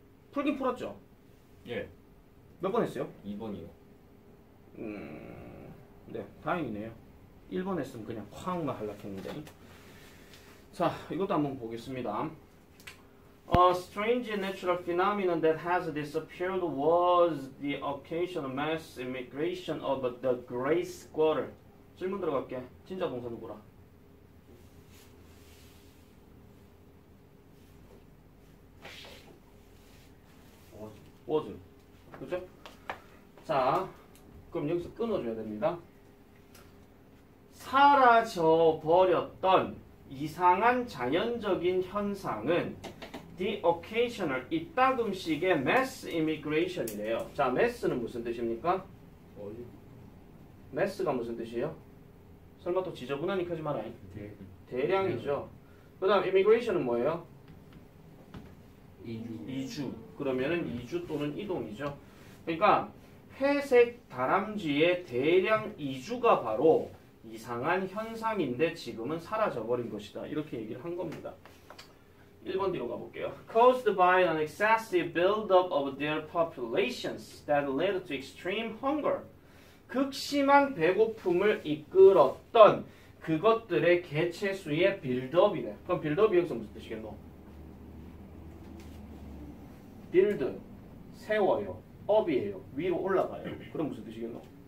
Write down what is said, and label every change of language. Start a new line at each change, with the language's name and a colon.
Korean: 풀긴 풀었죠? 예. 몇 번 했어요? 2번이요. 네. 다행이네요. 1번 했으면 그냥 쾅만 하려고 했는데. 자 이것도 한번 보겠습니다.
English: A strange natural phenomenon that has disappeared was the occasional mass immigration of the gray squirrel.
Korean: 질문 들어갈게. 진짜 동사 누구라? 워즈. 그죠? 자, 그럼 여기서 끊어줘야 됩니다. 사라져 버렸던 이상한 자연적인 현상은
English: the occasional
Korean: 이따금씩의
English: mass immigration
Korean: 이래요. 자, mass는 무슨 뜻입니까? 어디? mass가 무슨 뜻이에요? 설마 또 지저분하니까 하지 마라. 대량이죠. 그 다음 immigration은 뭐예요? 이주. 이주. 그러면은 이주 또는 이동이죠. 그러니까 회색 다람쥐의 대량 이주가 바로 이상한 현상인데 지금은 사라져버린 것이다. 이렇게 얘기를 한 겁니다. 1번 뒤로 가볼게요.
English: Caused by an excessive buildup of their populations that led to extreme hunger.
Korean: 극심한 배고픔을 이끌었던 그것들의 개체수의 빌드업이래. 그럼 빌드업이 여기서 무슨 뜻이겠노? 빌드, 세워요. 업이에요. 위로 올라가요. 그럼 무슨 뜻이겠노?